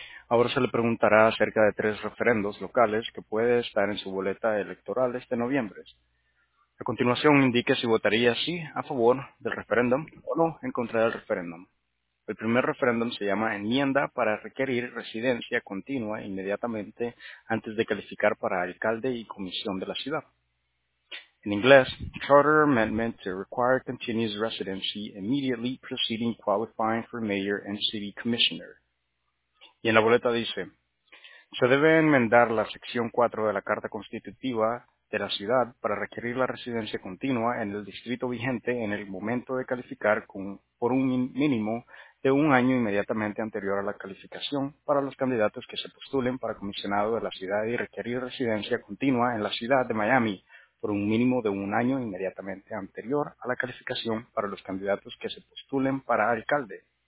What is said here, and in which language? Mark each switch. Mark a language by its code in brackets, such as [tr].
[es] Ahora se le preguntará acerca de tres referendos locales que puede estar en su boleta electoral este noviembre. A continuación, indique si votaría sí a favor del referéndum o no en contra del referéndum. El primer referéndum se llama enmienda para requerir residencia continua inmediatamente antes de calificar para alcalde y comisión de la ciudad. En inglés, [en] charter amendment to require continuous residency immediately preceding qualifying for mayor and city commissioner. [es] Y en la boleta dice, se debe enmendar la sección 4 de la Carta Constitutiva de la ciudad para requerir la residencia continua en el distrito vigente en el momento de calificar por un mínimo de un año inmediatamente anterior a la calificación para los candidatos que se postulen para comisionado de la ciudad y requerir residencia continua en la ciudad de Miami por un mínimo de un año inmediatamente anterior a la calificación para los candidatos que se postulen para alcalde.